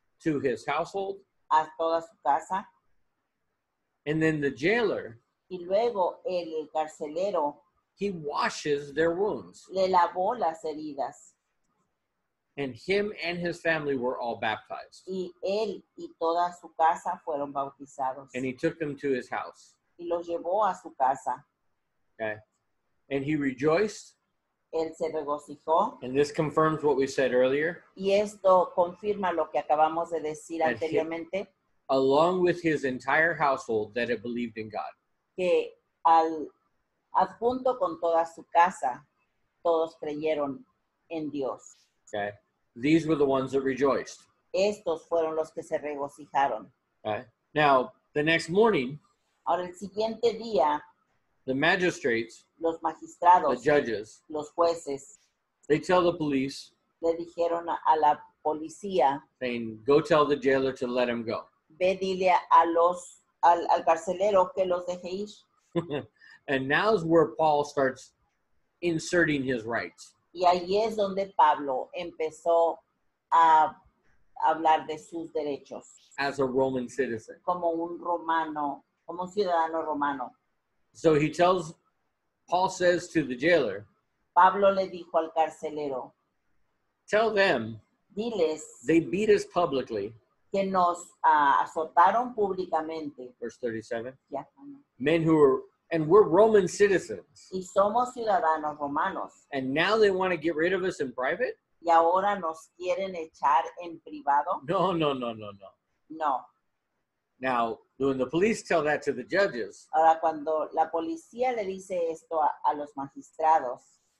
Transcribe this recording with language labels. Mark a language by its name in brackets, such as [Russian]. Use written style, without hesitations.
[English] To his household. [Spanish] A toda su casa. [English] And then the jailer. [Spanish] Y luego el carcelero. [English] He washes their wounds. [Spanish] Le lavó las heridas. [English] And him and his family were all baptized. [Spanish] Y él y toda su casa fueron bautizados. [English] And he took them to his house. [Spanish] Y los llevó a su casa. [English] Okay. And he rejoiced. [Spanish] Él se regocijó. [English] And this confirms what we said earlier. [Spanish] Y esto confirma lo que acabamos de decir anteriormente. [English] Along with his entire household that had believed in God. [Spanish] Que al adjunto con toda su casa, todos creyeron en Dios. [English] Okay. These were the ones that rejoiced. [Spanish] Estos fueron los que se regocijaron. [English] Okay. Now, the next morning, [Spanish] ahora, el siguiente día, [English] the magistrates, [Spanish] los magistrados, [English] the judges, [Spanish] los jueces, [English] they tell the police, [Spanish] le dijeron a la policía, [English] saying, go tell the jailer to let him go. [Spanish] Ve, dile a los, al carcelero que los deje ir. [English] And now is where Paul starts inserting his rights. [Spanish] Y ahí es donde Pablo empezó a hablar de sus derechos. [English] As a Roman citizen. [Spanish] Como un romano, como un ciudadano romano. [English] So he tells, Paul says to the jailer, [Spanish] Pablo le dijo al carcelero, [English] tell them, [Spanish] diles, [English] they beat us publicly, [Spanish] que nos azotaron públicamente. [English] Verse 37. Yeah. Men who were, and we're Roman citizens. [Spanish] Y somos ciudadanos romanos. [English] And now they want to get rid of us in private? [Spanish] Y ahora nos quieren echar en privado? [English] No, no, no, no, no. [Spanish] No. [English] Now, when the police tell that to the judges. [Spanish] Ahora, cuando la policía le dice esto a los magistrados.